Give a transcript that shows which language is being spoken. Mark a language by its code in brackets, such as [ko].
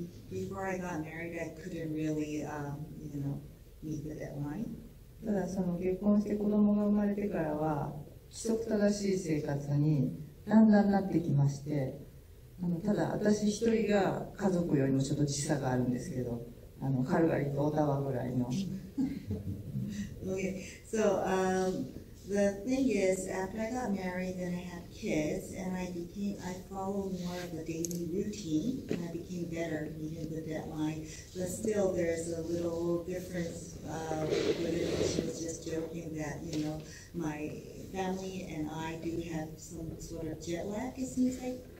[en] Before I got married, I couldn't really, meet the deadline. [ja] ただその結婚して子供が生まれてからは規則正しい生活にだんだんなってきまして、ただ私一人が家族よりもちょっと時差があるんですけど。 [en] Okay, so the thing is, after I got married, then I had kids, and I followed more of a daily routine, and I became better meeting the deadline. But still, there's a little difference. She was just joking that my family and I do have some sort of jet lag. It seems like.